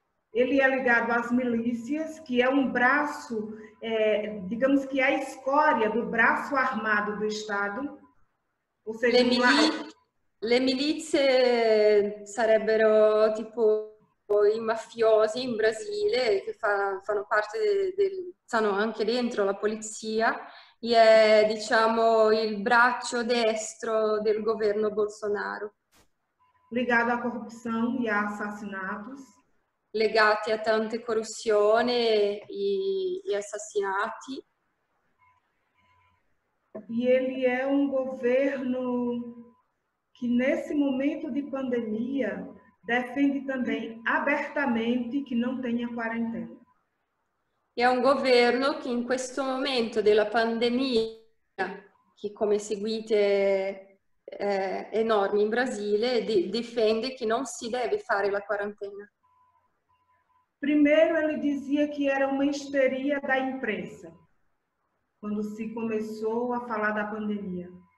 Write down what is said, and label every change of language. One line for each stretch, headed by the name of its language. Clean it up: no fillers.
Portuguese: Ele é ligado às milícias, que é um braço, digamos que é a escória do braço armado do Estado. Ou seja,
Italian: Le milizie sarebbero tipo i mafiosi in Brasile che fanno parte stanno anche dentro la polizia, e è diciamo il braccio destro del governo Bolsonaro.
Portuguese: Ligado à corrupção e a assassinatos.
Italian: Legati a tante corruzioni e assassinati.
Portuguese: E ele é um governo que, nesse momento de pandemia, defende também abertamente que não tenha quarentena.
Italian: È un governo che in questo momento della pandemia, che come seguite è enorme in Brasile, difende che non si deve fare la quarantena.
Portuguese: Primeiro ele dizia que era uma histeria da imprensa, quando se começou a falar da pandemia.